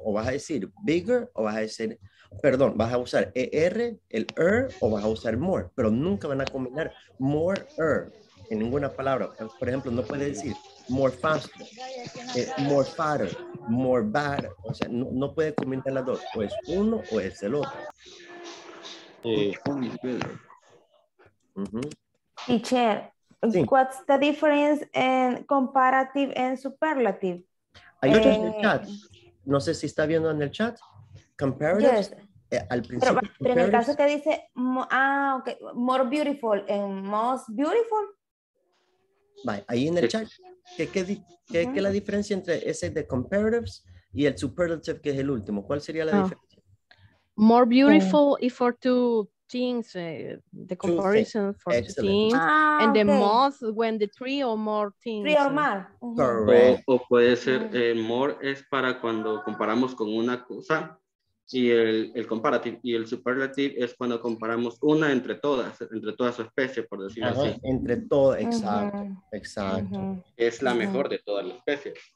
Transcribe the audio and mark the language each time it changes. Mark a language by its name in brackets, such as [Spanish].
[Spanish] O vas a decir bigger o vas a decir... Perdón, vas a usar ER, el ER, o vas a usar MORE. Pero nunca van a combinar MORE, ER, en ninguna palabra. Por ejemplo, no puedes decir MORE FASTER, MORE FATTER, MORE BADDER. O sea, no, no puedes combinar las dos. O es uno o es el otro. [English] Teacher, what's the difference in comparative and superlative? [Spanish] Hay otro en el chat. No sé si está viendo en el chat. [English] Comparative. Yes. [Spanish] Al principio, pero en el caso que dice okay, more beautiful en most beautiful. Vale, ahí en el chat. ¿Qué uh-huh. la diferencia entre ese de comparatives y el superlative que es el último? ¿Cuál sería la diferencia? [English] More beautiful if for two things, the comparison for excellent. The things and the most when the three or more things. Three or more. [Spanish] Correcto. O puede ser more es para cuando comparamos con una cosa. Y el comparative y el superlative es cuando comparamos una entre todas su especie, por decirlo así. Entre todo, exacto, uh-huh. exacto. Uh-huh. Es la mejor de todas las especies.